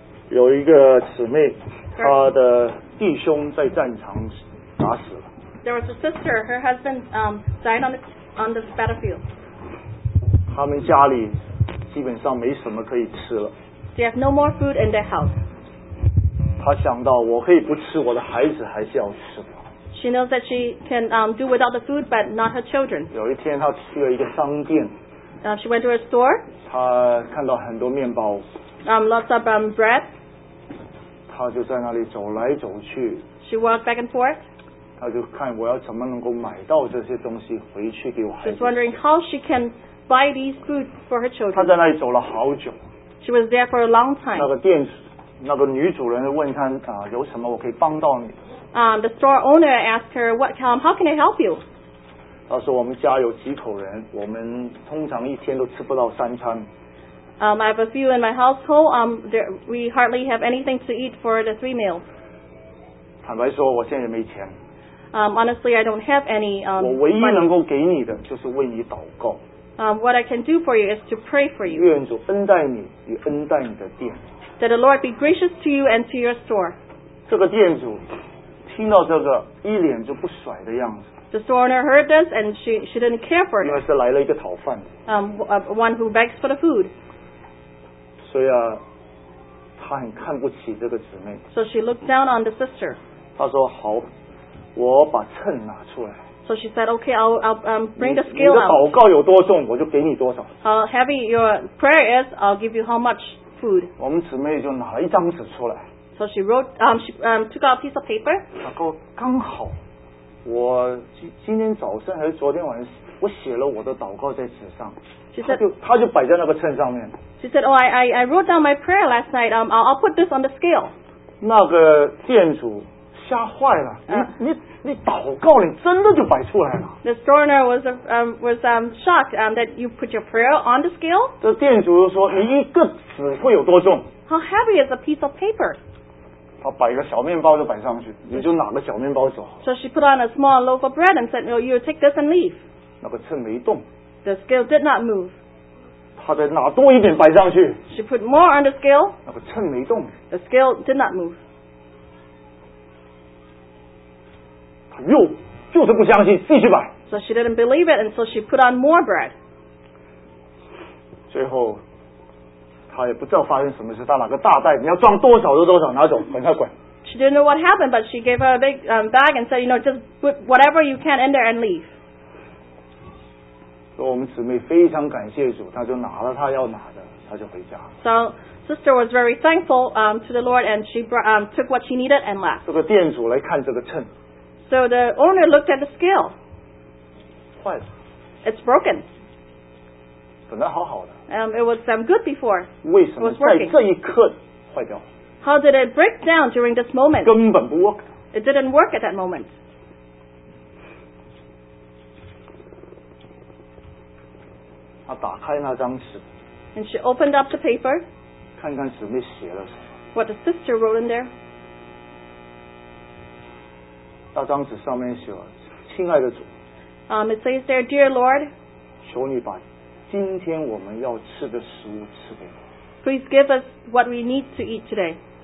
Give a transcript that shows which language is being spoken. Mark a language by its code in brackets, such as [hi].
[zh] 有一个姊妹她的弟兄在战场打死了 [en] there was a sister her husband died on the battlefield [zh] 他们家里基本上没什么可以吃了 [en] they have no more food in their house [zh] 她想到我可以不吃我的孩子还是要吃吧 [en] She knows that she can do without the food, but not her children. [zh] 有一天，她去了一个商店。 [en] She went to a store. [zh] 她看到很多面包。 [en] Lots of bread. [zh] 她就在那里走来走去。 [en] She walked back and forth. [zh] 她就看我要怎么能够买到这些东西回去给我孩子。 [en] She's wondering how she can buy these food for her children. [zh] 她在那里走了好久。 [en] She was there for a long time. [zh] 那个女主人问她有什么我可以帮到你。 [en] The store owner asked her, how can I help you? [zh] 她说我们家有几口人，我们通常一天都吃不到三餐。 [en] I have a few in my household. We hardly have anything to eat for the three meals. [zh] 坦白说，我现在没钱。 [en] Honestly, I don't have any. [zh] 我唯一能够给你的就是为你祷告。 [en] What I can do for you is to pray for you. [zh] 愿主恩待你，也恩待你的店。 [en] That the Lord be gracious to you and to your store. [zh] 这个店主。听到这个一脸就不甩的样子 [en] The store owner heard this and she didn't care for it [zh] 因为是来了一个讨饭 [en] One who begs for the food [zh] 所以啊她很看不起这个姊妹 [en] So she looked down on the sister [zh] 她说好我把秤拿出来 [en] So she said okay I'll bring the scale out [zh] 你的祷告有多重我就给你多少 [en] How heavy your prayer is I'll give you how much food [zh] 我们姊妹就拿了一张纸出来 [en] So she wrote, she took out a piece of paper. [zh] 刚好，我今天早上还是昨天晚上，我写了我的祷告在纸上。 [en] She said, [zh] 他就摆在那个秤上面。 [en] She said, oh, I wrote down my prayer last night. I'll put this on the scale. [zh] 那个店主吓坏了，你祷告你真的就摆出来了。 [en] The store owner was shocked that you put your prayer on the scale. [zh] 这店主就说，你一个纸会有多重？ [en] How heavy is a piece of paper? [zh] 他摆个小面包就摆上去，你就拿个小面包走。 [en] So she put on a small loaf of bread and said, "You take this and leave." [zh] 那个秤没动。 [en] The scale did not move. [zh] 他再拿多一点摆上去。 [en] She put more on the scale. [zh] 那个秤没动。 [en] The scale did not move. [zh] 他又就是不相信，继续摆。 [en] So she didn't believe it, and so she put on more bread. [zh] 最后。他也不知道发生什么事，他拿个大袋，你要装多少就多少，拿走，管他管。 [en] She didn't know what happened, but she gave her a big bag and said, "You know, just put whatever you can in there and leave." [zh] 说我们姊妹非常感谢主，她就拿了她要拿的，她就回家。 [en] So sister was very thankful to the Lord, and she brought, took what she needed and left. [zh] 这个店主来看这个秤。 [en] So the owner looked at the scale. [zh] 坏了。 [en] It's broken. [zh] 本来好好的。 [en] It was good before. [zh] 为什么在这一刻坏掉 [en] How did it break down during this moment? [zh] 根本不 work. [en] It didn't work at that moment. [zh] 她打开那张纸。 [en] And she opened up the paper. [zh] 看看姊妹写了什么。 [en] What the sister wrote in there. [zh] 那张纸上面写了，亲爱的主。 [en] It says there, Dear Lord. [zh] 求你把今天我们要吃的食物吃给我。 [en] Please give us what we need to eat today.